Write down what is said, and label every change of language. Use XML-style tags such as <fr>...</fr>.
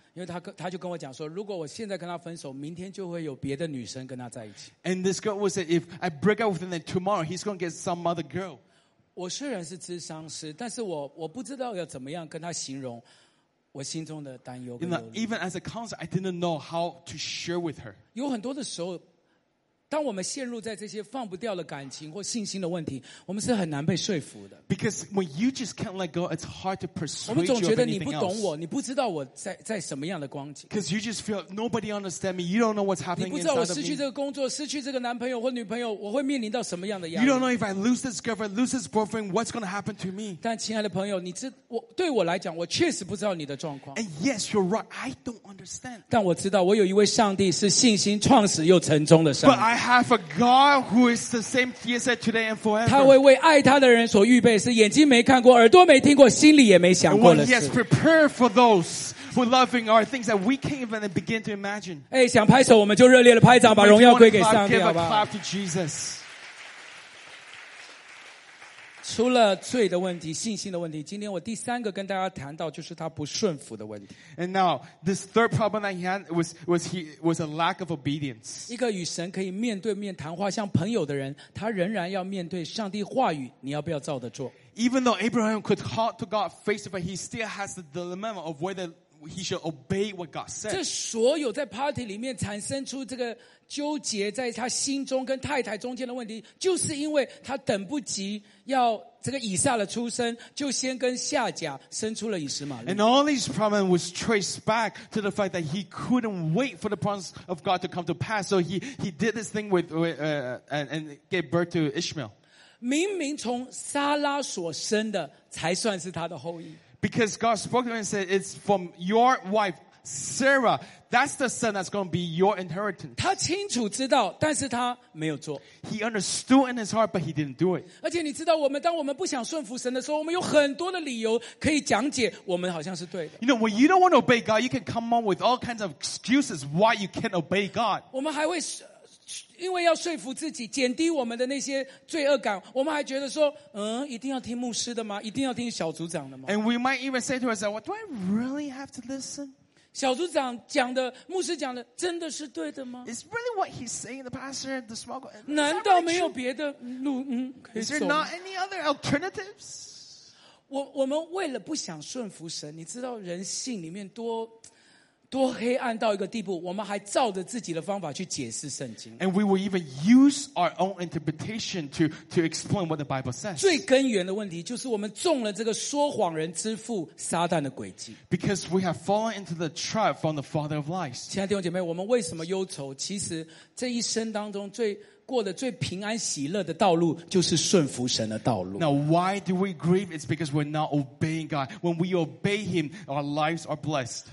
<zh>因为他就跟我讲说：“如果我现在跟他分手，明天就会有别的女生跟他在一起。”</zh> <en>And this girl was said, "If I break up with him tomorrow, he's going to get some other girl."</en> <zh>我虽然是諮商师，但是我不知道要怎么样跟他形容我心中的担忧跟忧虑。</zh> <en>Even as a counselor, I didn't know how to share with her.</en> <zh>有很多的时候，当我们陷入在这些放不掉的感情或信心的问题，我们是很难被说服的。</zh> <en>Because when you just can't let go, it's hard to persuade you of anything</en> <zh>else. 我们总觉得你不懂我，你不知道我在什么样的光景。</zh> <en>Because you just feel nobody understands me. You don't know what's happening inside of me.</en> <zh>你不知道我失去这个工作，失去这个男朋友或女朋友，我会面临到什么样的压力。</zh> <en>You don't know if I lose this girlfriend, lose this boyfriend, what's going to happen to me.</en> <zh>但亲爱的朋友，对我来讲，我确实不知道你的状况。</zh> <en>And yes, you're right. I don't understand.</en> <zh>但我知道，我有一位上帝是信心创始又成终的上帝。</zh> <en>I have a God who is the same yesterday, today, and forever.</en> <zh>他会为爱他的人所预备，是眼睛没看过，耳朵没听过，心里也没想过的事。</zh> <en>He has prepared for those who loving are things that we can't even begin to imagine.</en> <zh>哎，想拍手，我们就热烈的拍掌，把荣耀归给上帝，好吧？</zh> <en>Give a clap to Jesus.</en> <zh>除了罪的问题、信心的问题，今天我第三个跟大家谈到就是他不顺服的问题。</zh> <en>And now this third problem that he had was a lack of obedience.</en> <zh>一个与神可以面对面谈话、像朋友的人，他仍然要面对上帝话语，你要不要照着做？</zh> <en>Even though Abraham could talk to God face to face, he still has the dilemma of whether he should obey what God said.</en> <zh>这所有在 party 里面产生出这个纠结在他心中跟太太中间的问题，就是因为他等不及要这个以撒的出生，就先跟夏甲生出了以实玛利。</zh> <en>And all these problems was traced back to the fact that he couldn't wait for the promise of God to come to pass. So he did this thing with and gave birth to Ishmael.</en> <zh>明明从撒拉所生的才算是他的后裔。</zh> <en>Because God spoke to him and said, it's from your wife, Sarah. That's the son that's going to be your inheritance.</en> <zh>他清楚知道，但是他没有做。</zh> <en>He understood in his heart, but he didn't do it.</en> <zh>而且你知道，我们当我们不想顺服神的时候，我们有很多的理由可以讲解我们好像是对的。</zh> <en>You know, when you don't want to obey God, you can come up with all kinds of excuses why you can't obey God.</en> <zh>我们还会因为要说服自己减低我们的那些罪恶感，我们还觉得说一定要听牧师的吗？一定要听小组长的吗？</zh> <en>And we might even say to ourselves, well, do I really have to listen?</en> <zh>小组长讲的，牧师讲的，真的是对的吗？</zh> <en>Is really what he's saying, the pastor, the small group?</en> <zh>难道没有别的路可以走？</zh> <en>Is there not any other alternatives?</en> <zh>我们为了不想顺服神，你知道人性里面多黑暗到一个地步，我们还照着自己的方法去解释圣经。</zh> <en>And we will even use our own interpretation to explain what the Bible says.</en> <zh>最根源的问题就是我们中了这个说谎人之父撒旦的诡计。</zh> <en>Because we have fallen into the trap from the father of lies.</en> <zh>亲爱的弟兄姐妹，我们为什么忧愁？其实这一生当中最平安喜乐的道路就是顺服神的道路。</zh> <en>Now why do we grieve? It's because we're not obeying God. When we obey Him, our lives are blessed.</en>